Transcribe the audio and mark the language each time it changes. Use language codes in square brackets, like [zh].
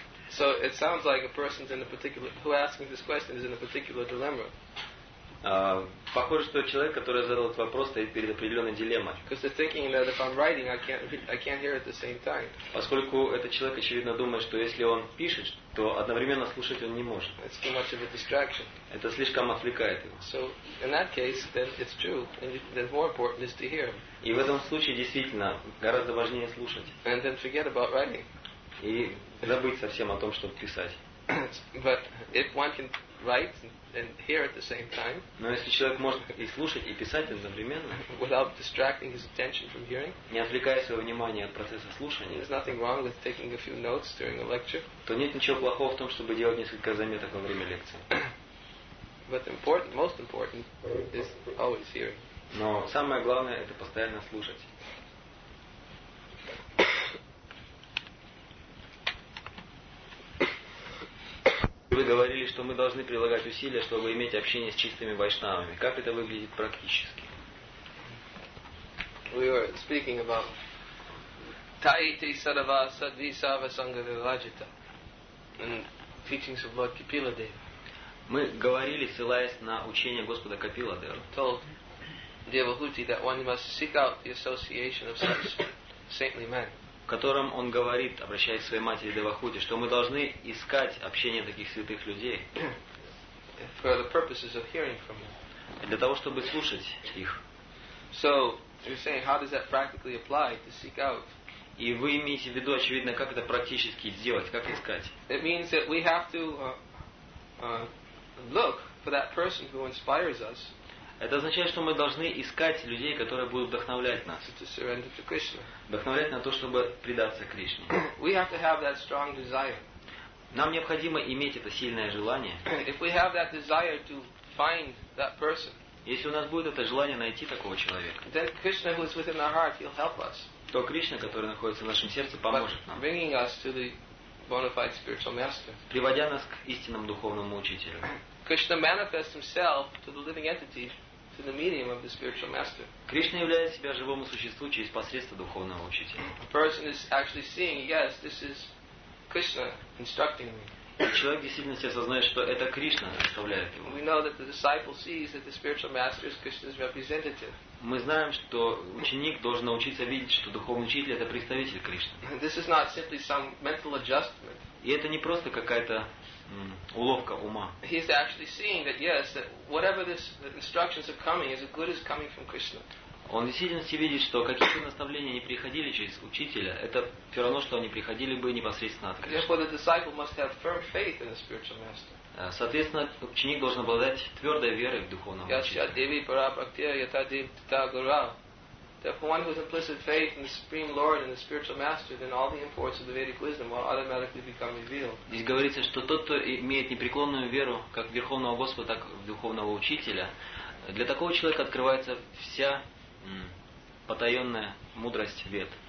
[en] So it sounds like a person in a particular who asking this question is in a particular dilemma. [ru] Похоже, что человек, который задал этот вопрос, стоит перед определенной дилеммой. [en] Because they're thinking that if I'm writing, I can't hear at the same time. [ru] Поскольку этот человек очевидно думает, что если он пишет, то одновременно слушать он не может. [en] It's too much of a distraction. [ru] Это слишком отвлекает его. [en] So in that case, then it's true, and then more important is to hear. [ru] И в этом случае действительно гораздо важнее слушать. [en] And then forget about writing. [ru] И забыть совсем о том, чтобы писать. [en] But if one can write and hear at the same time. [ru] Но если человек может и слушать, и писать одновременно, [en] without distracting his attention from hearing, [ru] не отвлекая своего внимания от процесса слушания, [en] there's nothing wrong with taking a few notes during a lecture. [ru] То нет ничего плохого в том, чтобы делать несколько заметок во время лекции. [en] But important, most important, is always hearing. [ru] Но самое главное — это постоянно слушать. Вы говорили, что мы должны прилагать усилия, чтобы иметь общение с чистыми вайшнавами. Как это выглядит практически? [en] We were speaking about [sa] Taiti Sarava Sadvisava Sangavivajita [en] and teachings of Lord Kapila Deva. [ru] Мы говорили, ссылаясь на учение Господа Капила Дева. [en] Told Devahuti that one must seek out the association of such saintly men. [ru] В котором он говорит, обращаясь к своей матери Девахути, что мы должны искать общение таких святых людей [en] for the purposes of hearing from them. [ru] Для того, чтобы слушать их. [en] So, you're saying, how does that practically apply to seek out? [ru] И вы имеете в виду, очевидно, как это практически делать, как искать. [en] It means that we have to look for that person who inspires us. [ru] Это означает, что мы должны искать людей, которые будут вдохновлять нас. Вдохновлять на то, чтобы предаться Кришне. [en] We have to have that strong desire. [ru] Нам необходимо иметь это сильное желание. [en] If we have that desire to find that person, [ru] если у нас будет это желание найти такого человека, [en] then Krishna who is within our heart, he'll help us. [ru] То Кришна, который находится в нашем сердце, поможет нам. [en] Bringing us to the bona fide spiritual master. [ru] Приводя нас к истинному духовному учителю. [en] Krishna manifests himself to the living entity through the medium of the spiritual master. [ru] Кришна являет себя живому существу через посредство духовного учителя. [en] A person is actually seeing, yes, this is Krishna instructing me. [ru] Человек действительно осознает, что это Кришна наставляет его. [en] We know that the disciple sees that the spiritual master is Krishna's representative. [ru] Мы знаем, что ученик должен научиться видеть, что духовный учитель — это представитель Кришны. [en] This is not simply some mental adjustment. [ru] И это не просто какая-то уловка ума. [en] He is actually seeing that yes, that whatever this instructions are coming is as good as coming from Krishna. [ru] Он действительно видит, что какие-то наставления не приходили через учителя, это все равно, что они приходили бы непосредственно от Кришны. [en] Therefore, the disciple must have firm faith in the spiritual master. [ru] Соответственно, ученик должен обладать твердой верой в духовного учителя. [sa] Yes, Devi Parapraktya Yatadim Titagura. [en] Therefore, one who has implicit faith in the Supreme Lord and the spiritual master, then all the imports of the Vedic wisdom will automatically become revealed. [ru] Здесь говорится, что тот, кто имеет непреклонную веру как в Верховного Господа, так и в Духовного Учителя, для такого человека открывается вся потаенная мудрость Вед.